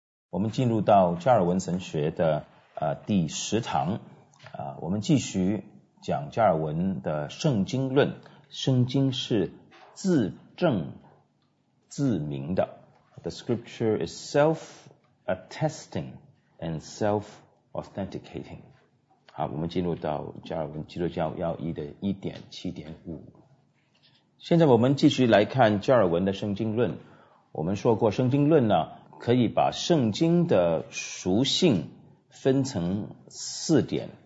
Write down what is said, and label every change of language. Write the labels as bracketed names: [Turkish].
[Chinese] 我们进入到加尔文神学的第十堂我们继续讲加尔文的圣经论。圣经是自证自明的。 [English] The scripture is self-attesting and self-authenticating. [Chinese] 好，我们进入到加尔文基督教要义的 1.7.5。现在我们继续来看加尔文的圣经论。我们说过圣经论呢可以把圣经的属性分成四点。